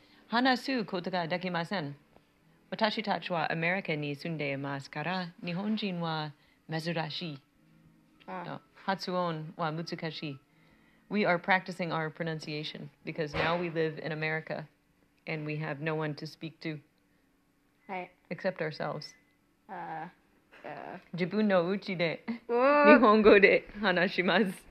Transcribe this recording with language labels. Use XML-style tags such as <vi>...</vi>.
<ja>話すことができません。私たちはアメリカに住んでいますから、日本人は珍しい。発音は難しい。</ja> <en>We are practicing our pronunciation because now we live in America and we have no one to speak to.</en> <ja>はい。</ja> <en>Except ourselves.</en> <ja>自分のうちで日本語で話します。</ja>